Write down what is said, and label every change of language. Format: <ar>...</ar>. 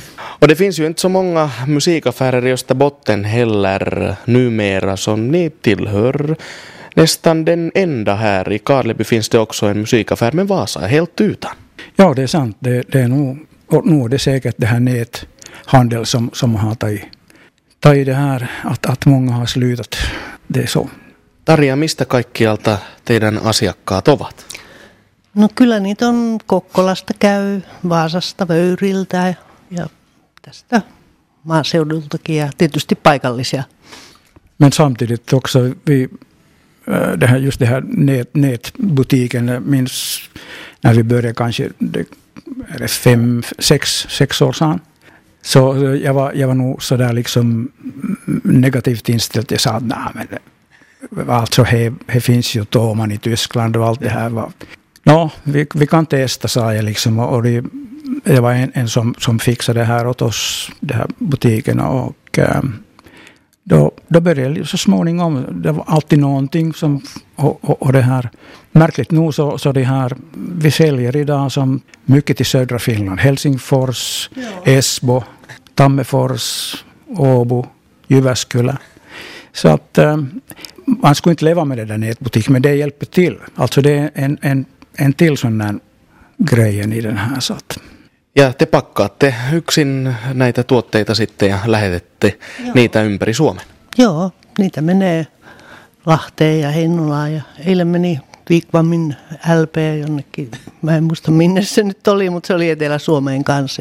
<sv>Och det finns ju inte så många musikaffärer i Österbotten heller numera som ni tillhör. Nästan den enda här i Karleby finns det också en musikaffär, men Vaasa är helt utan. Ja, det är sant. Det är nog är det säkert det här näthandel som har tagit det här, att många har slutat. Det är så.</sv> <fi>Tarja, mistä kaikkialta teidän asiakkaat ovat? No kyllä niitä on Kokkolasta käy, Vaasasta, Vöyriltä ja tästä maaseudultakin ja tietysti paikallisia.</fi> <sv>Men samtidigt också vi det här, just det här nätbutiken, jag minns när vi började kanske det, är det sex år sedan. Så jag var nog så där liksom negativt inställd. Jag sa att nej, men alltså här finns ju Toman i Tyskland och allt det här. Ja, vi kan testa, sa jag liksom. Och det var en som fixade det här åt oss, det här butiken. Och då började det så småningom. Det var alltid någonting som, och det här. Märkligt nog så det här vi säljer idag som mycket i södra Finland. Helsingfors, ja. Esbo, Tammerfors, Åbo, Jyväskylä. Så att man skulle inte leva med det där nätbutiken, men det hjälper till. Alltså det är en till sån här grejen i den här. Så att.</sv> <fi>Ja te pakkaatte yksin näitä tuotteita sitten ja lähetette niitä ympäri Suomen. Joo, niitä menee Lahteen ja Heinolaan ja eilen meni Vikvamin LP jonnekin. Mä en muista minne se nyt oli, mutta se oli Etelä-Suomeen kanssa.</fi>